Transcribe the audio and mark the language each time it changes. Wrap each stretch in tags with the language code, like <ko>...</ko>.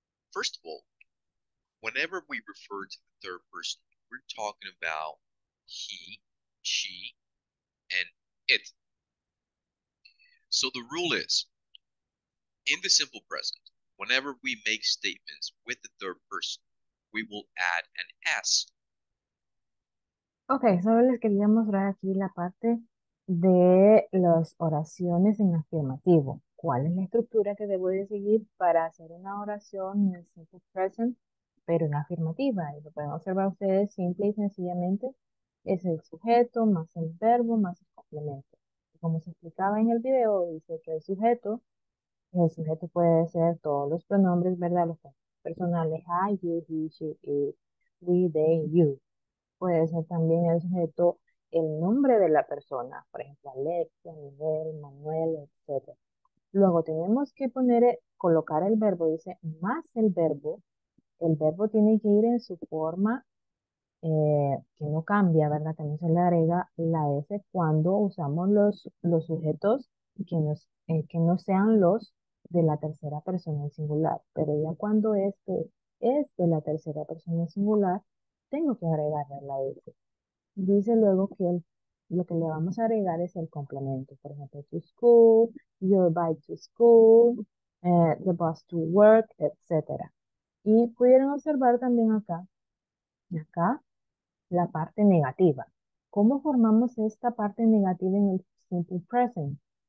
<en>First of all, whenever we refer to the third person, we're talking about he, she, and it. So the rule is, in the simple present, whenever we make statements with the third person, we will add an S.</en> <es>Okay, solo les quería mostrar aquí la parte de las oraciones en afirmativo. ¿Cuál es la estructura que debo de seguir para hacer una oración en el simple present, pero en afirmativa? Y lo pueden observar ustedes, simple y sencillamente, es el sujeto más el verbo más el complemento. Como se explicaba en el video, dice que el sujeto puede ser todos los pronombres, ¿verdad? Los personales,</es> <en>I, you, he, she, it, we, they, you.</en> <es>Puede ser también el sujeto el nombre de la persona, por ejemplo, Alexa, Miguel, Manuel, etc. Luego tenemos que colocar el verbo, dice, más el verbo. El verbo tiene que ir en su forma, que no cambia, ¿verdad? También se le agrega la S cuando usamos los sujetos que no sean los de la tercera persona en singular. Pero ya cuando este es de la tercera persona en singular, tengo que agregarle la S. Dice luego que lo que le vamos a agregar es el complemento. Por ejemplo,</es> <en>to school, your bike to school, the bus to work, etc.</en> <es>Y pudieron observar también acá, la parte negativa. ¿Cómo formamos esta parte negativa en el simple present?</es>